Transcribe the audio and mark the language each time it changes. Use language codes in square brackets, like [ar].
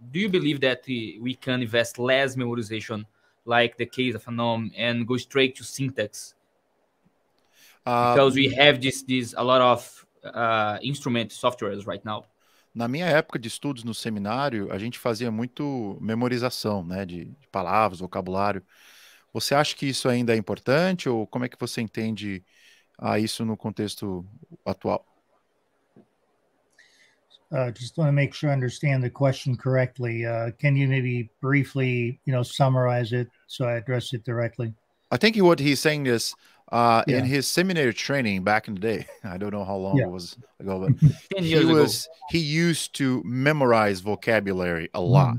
[en] Do you believe that we can invest less memorization, like the case of a nom, and go straight to syntax? Because we have this a lot of instrument softwares right now. [pt] Na minha época de estudos no seminário, a gente fazia muito memorização, né, de palavras, vocabulário. Você acha que isso ainda é importante, ou como é que você entende isso no contexto atual? [en] Just want to make sure I understand the question correctly. Can you maybe briefly, summarize it so I address it directly? I think what he's saying is, in his seminary training back in the day, I don't know how long it was ago, but he used to memorize vocabulary a lot.